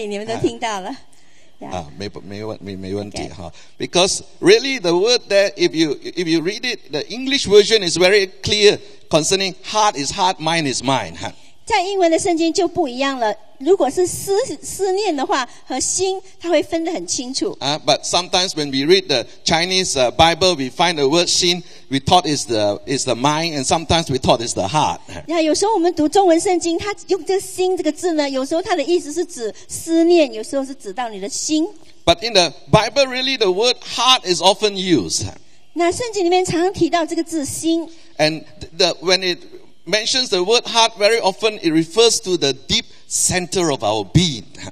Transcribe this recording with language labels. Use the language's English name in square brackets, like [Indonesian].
[Chinese] 怎么翻译,你们都听到了。没问题, [English] okay. huh? Because really the word there, if you read it, the English version is very clear concerning heart is heart, mind is mind. Huh? [Chinese] 在英文的圣经就不一样了如果是思念的话和心它会分得很清楚 [English] But sometimes when we read the Chinese Bible we find the word 心 we thought is the mind and sometimes we thought is the heart [Chinese] 有时候我们读中文圣经它用这个心这个字呢有时候它的意思是指思念有时候是指到你的心 [English] But in the Bible really the word heart is often used [Chinese] 那圣经里面常常提到这个字心 [English] And the when it mentions the word heart very often it refers to the deep center of our being